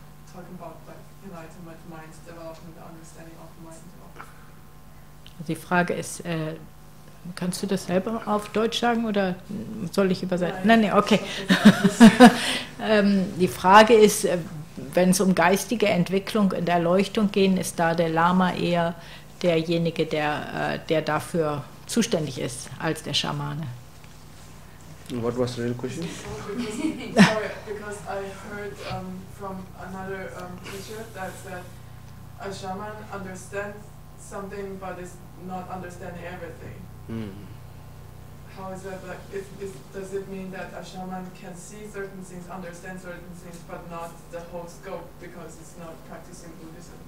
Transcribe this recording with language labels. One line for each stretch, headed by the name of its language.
English: Talking about like enlightenment, mind development, understanding of mind.
German: Also die Frage ist, kannst du das selber auf Deutsch sagen oder soll ich übersetzen? Nein, okay. die Frage ist, wenn es um geistige Entwicklung und Erleuchtung geht, ist da der Lama eher derjenige, der dafür zuständig ist, als der Schamane.
English: What was the real question? Sorry, because I heard from another teacher that said a shaman understands something but is not understanding everything. Mm-hmm. How is that? Like, does it mean that a shaman can see certain things, understand certain things, but not the whole scope because it's not practicing Buddhism?